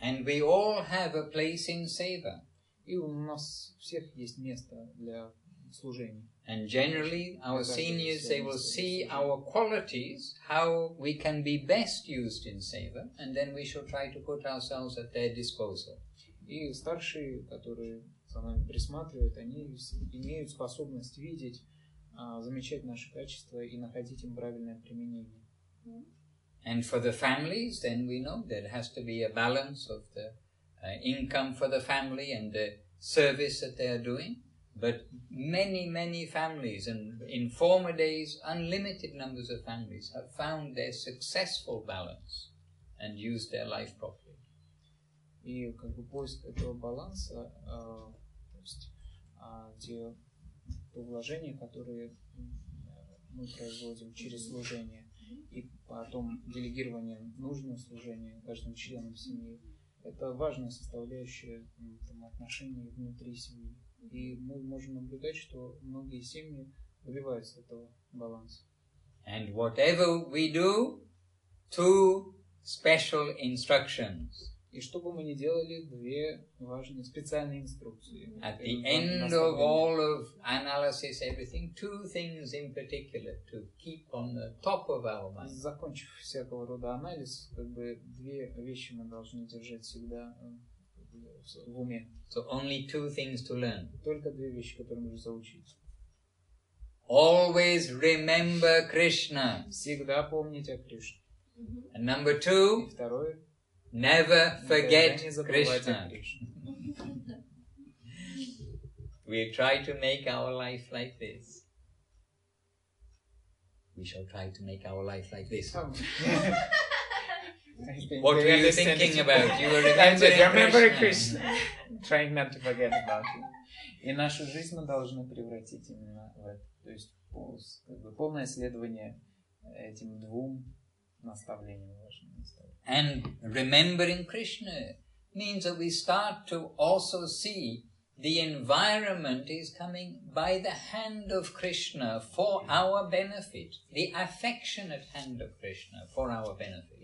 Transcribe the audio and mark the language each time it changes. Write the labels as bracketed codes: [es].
[en] And we all have a place in seva. [ru] И у нас всех есть место для служения. [en] And generally, our seniors, they will see our qualities, how we can be best used in seva, and then we shall try to put ourselves at their disposal. [ru] И старшие, которые за нами присматривают, они имеют способность видеть, замечать наши качества и находить им правильное применение. [en] And for the families, then we know there has to be a balance of the income for the family and the service that they are doing. But many, many families, and in former days, unlimited numbers of families have found their successful balance and used their life properly. [ru] И как бы поиск этого баланса, то есть те вложения, которые мы производим через служение, и потом делегирование нужного служения каждому члену семьи, это важная составляющая там, отношений внутри семьи. И мы можем наблюдать, что многие семьи добиваются этого баланса. [en] And whatever we do, two special instructions. [ru] И что бы мы ни делали, две важные специальные инструкции. [en] At the end of all of analysis, everything, two things in particular to keep on the top of our mind. [ru] Закончив всякого рода анализ, как бы две вещи мы должны держать всегда в уме. [en] So only two things to learn. [ru] Только две вещи, которые нужно заучить. [en] Always remember Krishna. [ru] Всегда помнить о Кришне. [en] And number two. [ru] И второе. [en] Never forget Krishna. We try to make our life like this. We shall try to make our life like this. What were you thinking about? You were remembering Krishna. Trying not to forget about him. [ru] И нашу жизнь мы должны превратить именно в это. То есть полное следование этим двум наставлениям. [en] And remembering Krishna means that we start to also see the environment is coming by the hand of Krishna for our benefit, the affectionate hand of Krishna for our benefit.